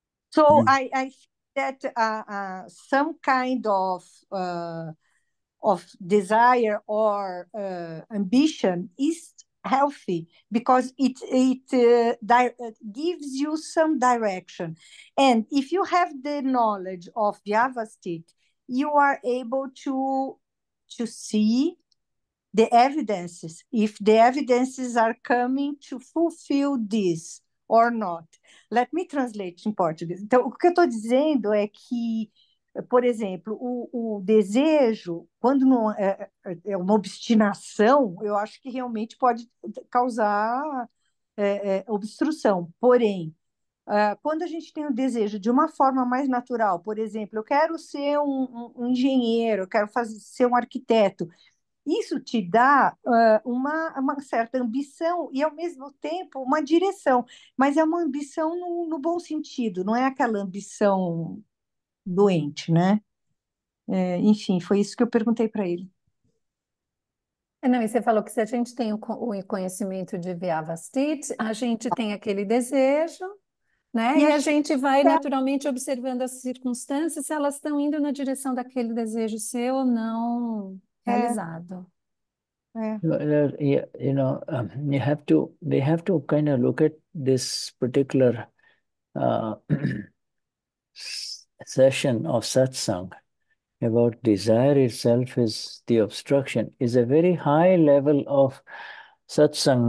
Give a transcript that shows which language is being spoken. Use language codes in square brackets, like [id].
[en] So I think that some kind of desire or ambition is healthy, because it gives you some direction. And if you have the knowledge of Vyavastit, you are able to see the evidences, if the evidences are coming to fulfill this or not. Let me translate in português. [pt] Então, o que eu estou dizendo é que, por exemplo, o desejo, quando não é uma obstinação, eu acho que realmente pode causar obstrução. Porém, quando a gente tem o desejo de uma forma mais natural, por exemplo, eu quero ser um engenheiro, eu quero ser um arquiteto, isso te dá uma certa ambição e, ao mesmo tempo, uma direção. Mas é uma ambição no bom sentido, não é aquela ambição doente, né? É, enfim, foi isso que eu perguntei para ele. Não, e você falou que se a gente tem o conhecimento de Vyavastit, a gente tem aquele desejo, né? E a gente vai naturalmente observando as circunstâncias, se elas estão indo na direção daquele desejo seu ou não. Realizado. [en] You know, they have to kind of look at this particular session of satsang about desire itself is the obstruction, is a very high level of satsang.